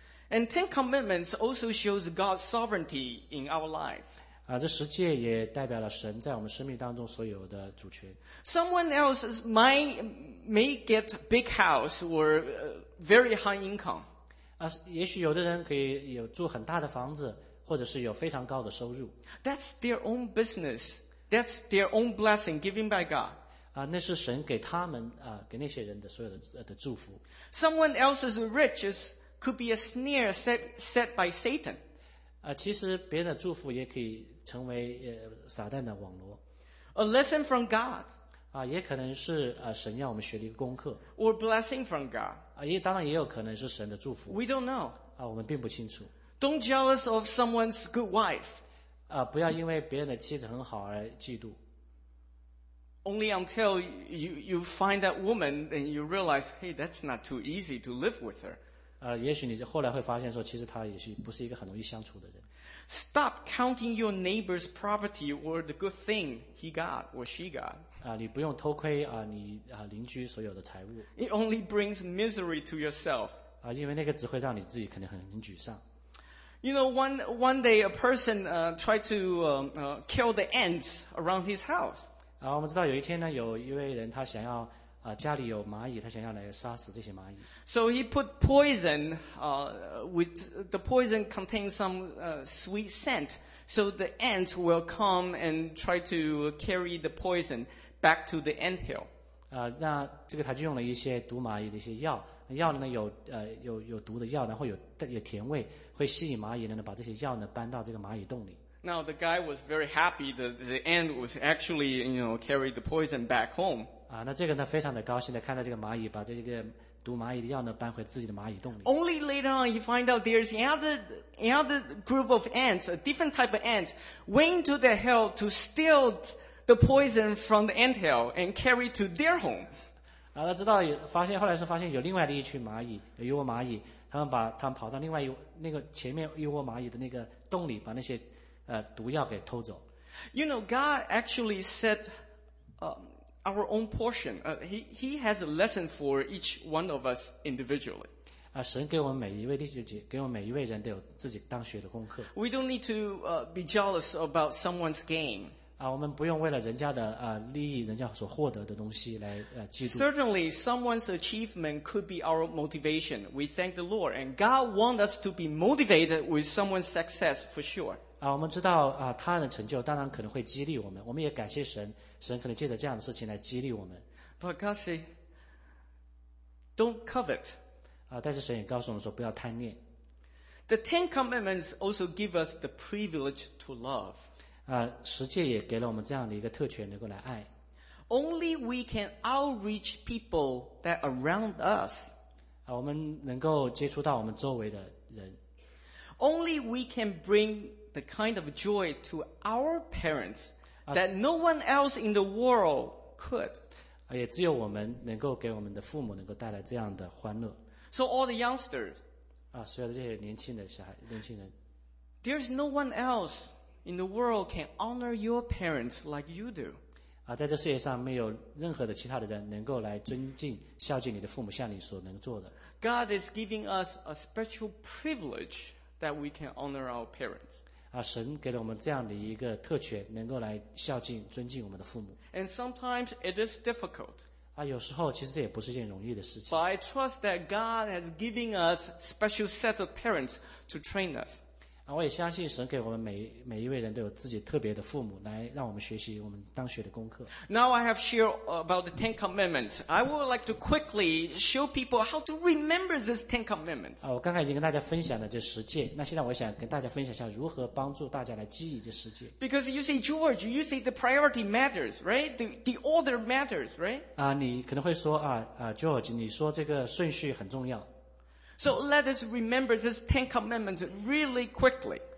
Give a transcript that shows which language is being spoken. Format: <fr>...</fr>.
<en>And Ten Commandments also shows God's sovereignty in our life.</en> <zh>这十诫也代表了神在我们生命当中所有的主权。</zh> <en>Someone else may get big house or very high income.</en> <zh>也许有的人可以有住很大的房子，或者是有非常高的收入。</zh> <en>That's their own business. That's their own blessing given by God.</en> <zh>那是神给他们给那些人的所有的祝福。</zh> <en>Someone else's riches could be a snare set by Satan.</en> <zh>其实别人的祝福也可以成为撒旦的网罗。</zh> <en>A lesson from God.</en> <zh>也可能是神要我们学的一个功课。</zh> <en>Or blessing from God.</en> <zh>当然也有可能是神的祝福。</zh> <en>We don't know.</en> <zh>我们并不清楚。</zh> <en>Don't jealous of someone's good wife.</en> <zh>不要因为别人的妻子很好而嫉妒。</zh> <en>Only until you find that woman, then you realize, hey, that's not too easy to live with her.</en> <zh>也许你后来会发现说其实他也许不是一个很容易相处的人。</zh> <en>Stop counting your neighbor's property or the good thing he got or she got.</en> <zh>你不用偷窥你邻居所有的财物。</zh> <en>It only brings misery to yourself.</en> <zh>因为那个只会让你自己肯定很沮丧。</zh> <en>You know, one day a person tried to kill the ants around his house.</en> <zh>我们知道有一天呢有一位人他想要家里有蚂蚁，他想要来杀死这些蚂蚁。</zh> <en>So he put poison, with the poison contains some sweet scent, so the ants will come and try to carry the poison back to the ant hill.</en> <zh>那这个他就用了一些毒蚂蚁的一些药，药呢有毒的药，然后有甜味，会吸引蚂蚁呢把这些药呢搬到这个蚂蚁洞里。</zh> <en>Now the guy was very happy that the ant was actually, you know, carried the poison back home.</en> <zh>啊，那这个呢，非常的高兴的看到这个蚂蚁把这个毒蚂蚁的药呢搬回自己的蚂蚁洞里。</zh> <en>Only later on, he find out there's another group of ants, a different type of ants, went to the hill to steal the poison from the ant hill and carry to their homes.</en> <zh>啊，他知道发现后来是发现有另外的一群蚂蚁，有一窝蚂蚁，他们跑到另外一那个前面一窝蚂蚁的那个洞里，把那些毒药给偷走。</zh> <en>You know, God actually set our own portion. He has a lesson for each one of us individually.</en> <zh>啊，神给我们每一位弟兄姐，给我们每一位人都有自己当学的功课。</zh> <en>We don't need to be jealous about someone's gain.</en> <zh>啊，我们不用为了人家的利益，人家所获得的东西来嫉妒。</zh> <en>Certainly, someone's achievement could be our motivation. We thank the Lord, and God wants us to be motivated with someone's success for sure.</en> <zh>啊，我们知道啊，他人的成就当然可能会激励我们，我们也感谢神，神可能借着这样的事情来激励我们。</zh> <en>But God say, don't covet.</en> <zh>啊，但是神也告诉我们说，不要贪念。</zh> <en>The Ten Commandments also give us the privilege to love.</en> <zh>啊，十诫也给了我们这样的一个特权，能够来爱。</zh> <en>Only we can outreach people that are around us.</en> <zh>啊，我们能够接触到我们周围的人。</zh> <en>Only we can bring. The kind of joy to our parents that no one else in the world could.</en> <zh>也只有我们能够给我们的父母能够带来这样的欢乐。</zh> <en>So all the youngsters,</en> <zh>所有的这些年轻的小孩，年轻人，</zh> <en>there's no one else in the world can honor your parents like you do.</en> <zh>在这世界上没有任何的其他的人能够来尊敬孝敬你的父母像你所能做的。</zh> <en>God is giving us a special privilege that we can honor our parents.</en> <zh>神给了我们这样的一个特权，能够来孝敬、尊敬我们的父母。</zh> <en>And sometimes it is difficult.</en> <zh>有时候其实这也不是一件容易的事情。</zh> <en>But I trust that God has given us special set of parents to train us.</en> <zh>我也相信神给我们每一位人都有自己特别的父母，来让我们学习我们当学的功课。</zh> <en>Now I have shared about the Ten Commandments. I would like to quickly show people how to remember this Ten Commandments.</en> <zh>我刚才已经跟大家分享了这十诫，那现在我想跟大家分享一下如何帮助大家来记忆这十诫。</zh> <en>Because you say, George, you say the priority matters, right? The order matters, right?</en> <zh>你可能会说George, 你说这个顺序很重要。</zh> <en>So let us remember this Ten Commandments really quickly.</en>